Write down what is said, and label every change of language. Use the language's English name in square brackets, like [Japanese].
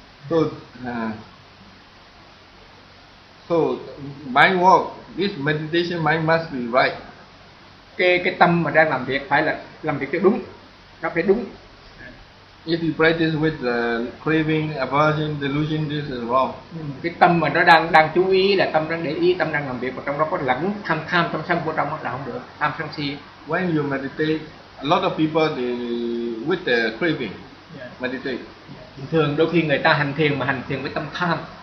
[English] So, so mind work, this meditation mind must be right. [Vietnamese] Cái tâm mà đang làm việc phải là làm việc cho đúng, nó phải đúng. [English] If you practice with the craving, aversion, delusion, this is wrong. [Vietnamese] Cái tâm mà nó đang chú ý là tâm đang để ý, tâm đang làm việc, và trong đó có lẫn tham tâm sân của trong đó là không được, tham sân si. [English] When you meditate, a lot of people with the craving, meditate. [Vietnamese] Bình thường đôi khi người ta hành thiền mà hành thiền với tâm tham.